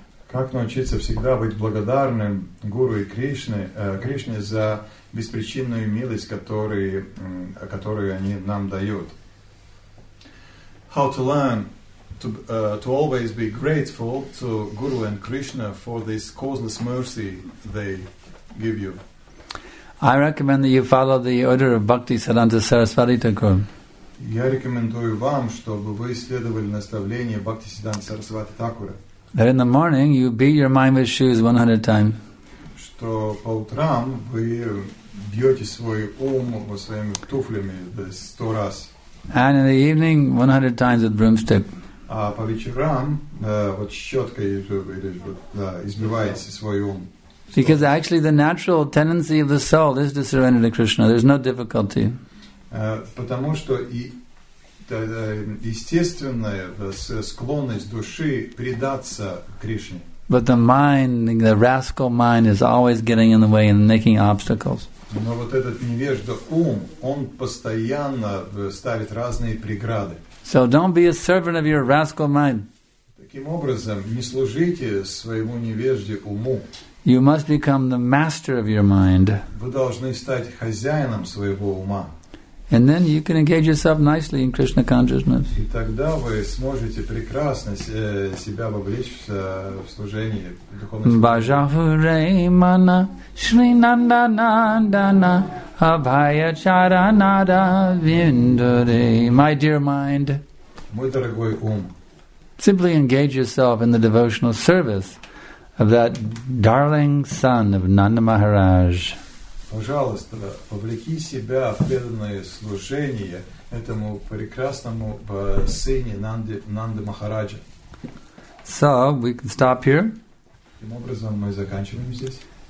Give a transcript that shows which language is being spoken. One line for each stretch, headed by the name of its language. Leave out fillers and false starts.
Russian: Как научиться всегда быть благодарным Гуру и Кришне, Кришне за беспричинную милость, которую они нам дают?
English: How to learn to always be grateful to Guru and Krishna for this causeless mercy they give you? I recommend that you follow the order of Bhakti Siddhanta Sarasvati Thakur.
Russian: Я рекомендую вам, чтобы вы следовали наставлению Бхакти Сиддханты Сарасвати Такура.
English: That in the morning you beat your mind with shoes 100 times.
Russian: Что по утрам вы бьете свой ум своими туфлями 100 раз.
English: And in the evening 100 times with broomstick.
Russian: А по вечерам вот щеткой избиваете свой ум.
English: Because actually the natural tendency of the soul is to surrender to Krishna. There's no difficulty.
Russian: Потому что и естественная склонность души предаться Кришне.
English: But the mind, the rascal mind, is always getting in the way and making obstacles.
Russian: Но вот этот невежда ум, он постоянно ставит разные преграды.
English: So don't be a servant of your rascal mind.
Russian: Таким образом, не служите своему невежде уму.
English: You must become the master of your mind.
Russian: Вы должны стать хозяином своего ума.
English: And then you can engage yourself nicely in Krishna consciousness.
Russian: И тогда вы сможете прекрасно себя вовлечь в служение духовной.
Bangla: Бажахуре мана шринанда нандана абхая чаранада виндуре.
English: My dear mind.
Russian: Мой дорогой ум.
English: Simply engage yourself in the devotional service of that darling son of Nanda Maharaj.
Russian: Пожалуйста, вовлеки себя в преданное служение этому прекрасному сыне Нанды Махараджа.
English: So, we can stop here.
Russian: Таким образом, мы заканчиваем здесь.